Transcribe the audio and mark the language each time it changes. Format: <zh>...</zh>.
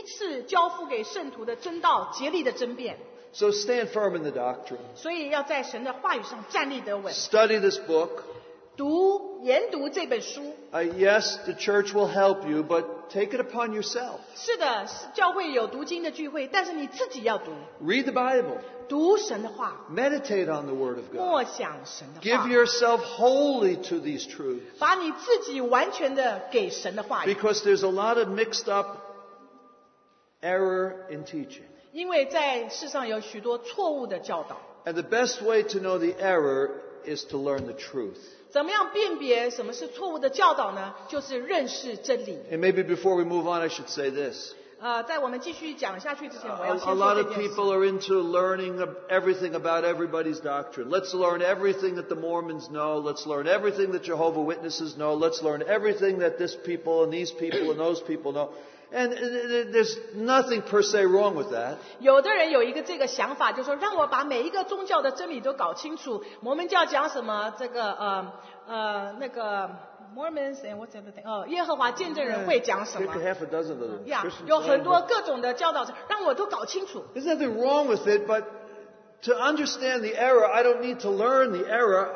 <zh>所以在犹大书第三节讲到说，要为以前一次交付给圣徒的真道竭力的争辩。</zh> <en>So stand firm in the doctrine.</en> <zh>所以要在神的话语上站立得稳。</zh> <en>Study this book.</en> <zh>读，研读这本书。</zh> <en>Yes, the church will help you, but take it upon yourself.</en> <zh>是的，教会有读经的聚会，但是你自己要读。</zh> <en>Read the Bible.</en> <zh>读神的话,</zh> <en>Meditate on the word of God.</en> <zh>默想神的话,</zh> <en>Give yourself wholly to these truths.</en> <zh>把你自己完全的给神的话语,</zh> <en>because there's a lot of mixed up error in teaching.</en> <zh>因为在世上有许多错误的教导。</zh> <en>And the best way to know the error is to learn the truth.</en> <zh>怎么样辨别什么是错误的教导呢? 就是认识真理。</zh> <en>And maybe before we move on, I should say this.</en> <zh>在我们继续讲下去之前，我要先说这件事。</zh> <en>A lot of people are into learning everything about everybody's doctrine. Let's learn everything that the Mormons know. Let's learn everything that Jehovah's Witnesses know. Let's learn everything that this people and these people and those people know. And there's nothing per se wrong with that.</en> <zh>有的人有一个这个想法，就是说让我把每一个宗教的真理都搞清楚。摩门教讲什么？这个那个。</zh> <en>Mormons and what's the other thing?</en> <zh>Oh, 耶和华见证人会讲什么？</zh> <en>Pick a half a dozen of them.</en> <zh>Yeah, 有很多各种的教导，让我都搞清楚。</zh> <en>There's nothing wrong with it, but to understand the error, I don't need to learn the error.</en>